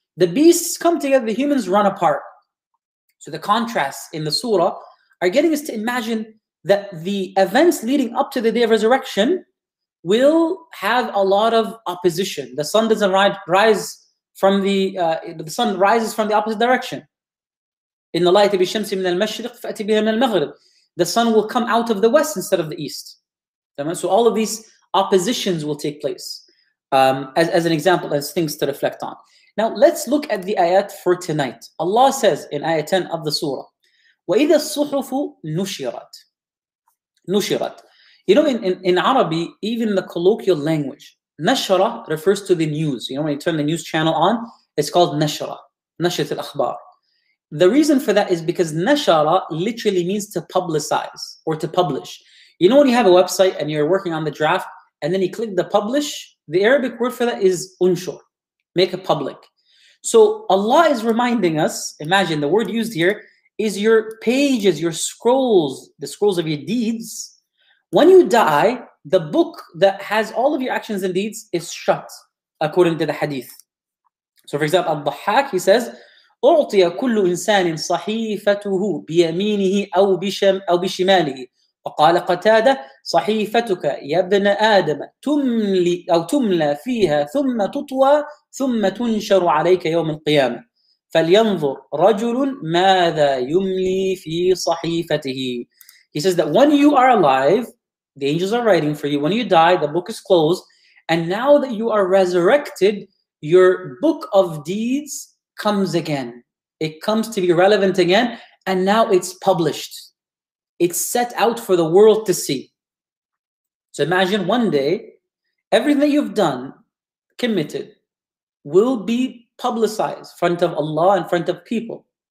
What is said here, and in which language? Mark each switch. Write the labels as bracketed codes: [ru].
[en] The beasts come together, the humans run apart. So the contrasts in the surah are getting us to imagine that the events leading up to the day of resurrection will have a lot of opposition. The sun doesn't rise from the sun rises from the opposite direction. In the light of [ar] الشمس من المشرق فأتي بها من المغرب. [en] The sun will come out of the west instead of the east. So all of these oppositions will take place. As an example, as things to reflect on. Now let's look at the ayat for tonight. Allah says in ayah 10 of the surah, [ar] وَإِذَا الصُّحُفُ نُشِرَتْ نُشِرَتْ. [en] You know, in Arabic, even the colloquial language, نَشَرَ refers to the news. You know, when you turn the news channel on, it's called نَشَرَ, نَشَرَةِ الْأَخْبَارِ. The reason for that is because نَشَرَ literally means to publicize or to publish. You know, when you have a website and you're working on the draft and then you click the publish, the Arabic word for that is unshur, make it public. So Allah is reminding us, imagine the word used here, is your pages, your scrolls, the scrolls of your deeds. When you die, the book that has all of your actions and deeds is shut, according to the hadith. So for example, Al-Dhahhak, he says, [ar] أُعْطِيَ كُلُّ إِنسَانٍ صَحِيفَتُهُ بِيَمِينِهِ أَوْ بِشِمَالِهِ وَقَالَ قَتَادَ صَحِيفَتُكَ يَبْنَ آدَمَ تُمْلَى فِيهَا ثُمَّ تُطْوَى ثُمَّ تُنْشَرُ عَلَيْكَ يَوْمِ الْقِيَامَةِ فَلْيَنْظُرْ رَجُلٌ مَاذَا يُمْلِي فِي صَحِيفَتِهِ. [en] He says that when you are alive, the angels are writing for you. When you die, the book is closed. And now that you are resurrected, your book of deeds comes again. It comes to be relevant again. And now it's published. It's set out for the world to see. So imagine one day, everything that you've done, committed, will be publicized in front of Allah, in front of people.